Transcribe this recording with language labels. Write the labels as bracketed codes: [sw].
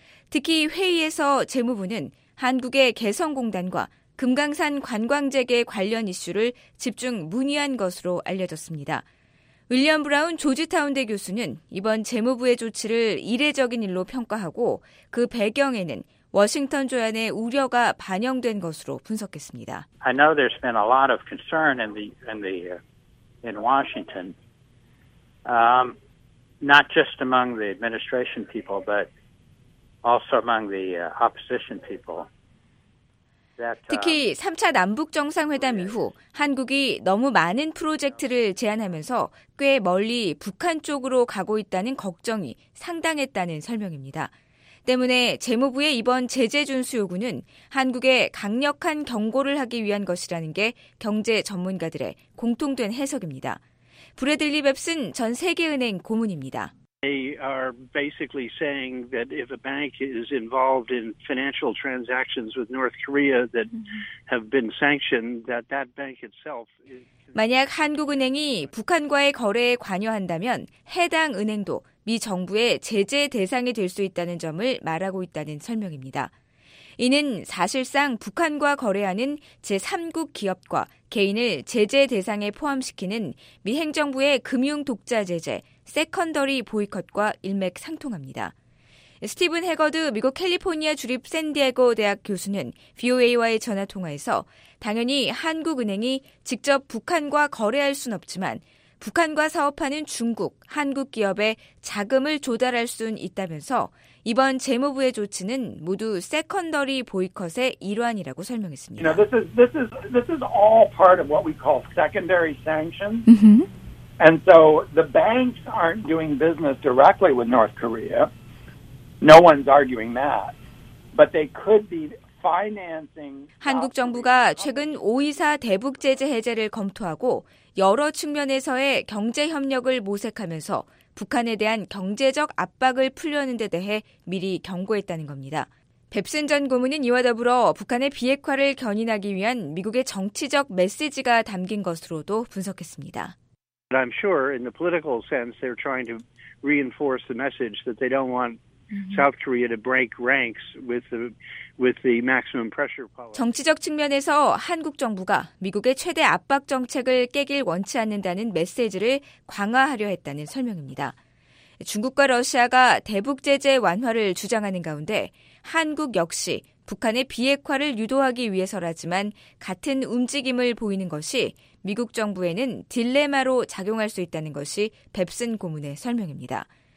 [ko] 특히 회의에서 재무부는 한국의 개성공단과 금강산 관광재개 관련 이슈를 집중 문의한 것으로 알려졌습니다. 윌리엄 브라운 조지타운대 교수는 이번 재무부의 조치를 이례적인 일로 평가하고 그 배경에는 워싱턴 조약의 우려가 반영된 것으로 분석했습니다. [en] I know there's been a lot of concern in Washington, not just among the administration people, but also among the opposition people. [ko] 특히 3차 남북정상회담 이후 한국이 너무 많은 프로젝트를 제안하면서 꽤 멀리 북한 쪽으로 가고 있다는 걱정이 상당했다는 설명입니다. 때문에 재무부의 이번 제재 준수 요구는 한국에 강력한 경고를 하기 위한 것이라는 게 경제 전문가들의 공통된 해석입니다. 브래들리 뱁슨 전 세계은행 고문입니다. [en] They are basically saying that if a bank is involved in financial transactions with North Korea that have been sanctioned, that that bank itself is... [ko] 만약 한국은행이 북한과의 거래에 관여한다면 해당 은행도 미 정부의 제재 대상이 될 수 있다는 점을 말하고 있다는 설명입니다. 이는 사실상 북한과 거래하는 제3국 기업과 개인을 제재 대상에 포함시키는 미 행정부의 금융 독자 제재, 세컨더리 보이콧과 일맥상통합니다. 스티븐 해거드 미국 캘리포니아 주립 샌디에고 대학 교수는 VOA와의 전화통화에서 당연히 한국은행이 직접 북한과 거래할 순 없지만 북한과 사업하는 중국, 한국 기업에 자금을 조달할 순 있다면서 이번 재무부의 조치는 모두 세컨더리 보이콧의 일환이라고 설명했습니다. [en] You know, this is all part of what we call secondary sanctions. And so the banks aren't doing business directly with North Korea. No one's arguing that. But they could be financing. [ko] 한국 정부가 최근 5.24 대북 제재 해제를 검토하고 여러 측면에서의 경제 협력을 모색하면서 북한에 대한 경제적 압박을 풀려는 데 대해 미리 경고했다는 겁니다. 뱁슨 전 고문은 이와 더불어 북한의 비핵화를 견인하기 위한 미국의 정치적 메시지가 담긴 것으로도 분석했습니다. [en] But I'm sure in the political sense they're trying to reinforce the message that they don't want South Korea to break ranks with the maximum pressure policy. [ko] 정치적 측면에서 한국 정부가 미국의 최대 압박 정책을 깨길 원치 않는다는 메시지를 강화하려 했다는 설명입니다. 중국과 러시아가 대북 제재 완화를 주장하는 가운데 한국 역시 북한의 비핵화를 유도하기 위해서라지만 같은 움직임을 보이는 것이 미국 정부에는 딜레마로 작용할 수 있다는 것이 뱁슨 고문의 설명입니다.